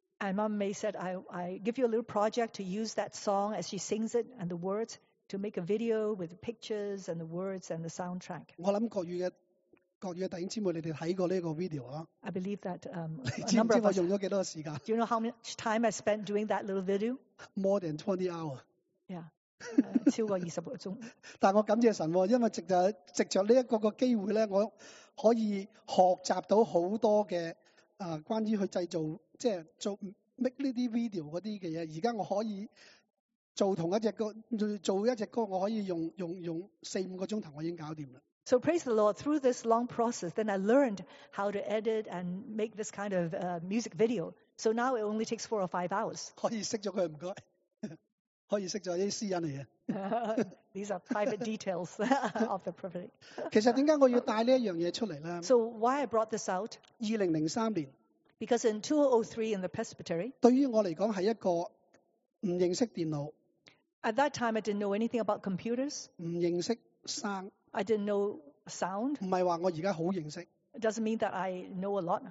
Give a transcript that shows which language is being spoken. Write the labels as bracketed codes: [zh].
[en] And Mama May said, I give you a little project to use that song as she sings it and the words to make a video with the pictures and the words and the soundtrack. [zh] 我想各位的弟兄姊妹你们看过这个video。 [en] I believe that a number of us, do you know how much time I spent doing that little video? More than 20 hours. [zh] Yeah. 超过20个钟。但我感谢神, 因为藉着这个机会, 我可以学习到很多的, 关于去制造, 即是做, [en] make this video [zh] 那些的东西, 现在我可以, 做一隻歌我可以用四五個小時我已經搞定了。 [en] So praise the Lord, through this long process, then I learned how to edit and make this kind of music video. So now it only takes 4 or 5 hours. [zh] 可以關掉它,麻煩。可以關掉一些私隱來的。 [en] These are private details of the property. [zh] 其實為什麼我要帶這件事出來呢? [en] So why I brought this out? [zh] 2003年, [en] because in 2003 in the presbytery, [zh] 對於我來說是一個不認識電腦, [en] at that time, I didn't know anything about computers. [zh] 不認識聲, [en] I didn't know sound. [zh] 不是說我現在很認識, [en] it doesn't mean that I know a lot.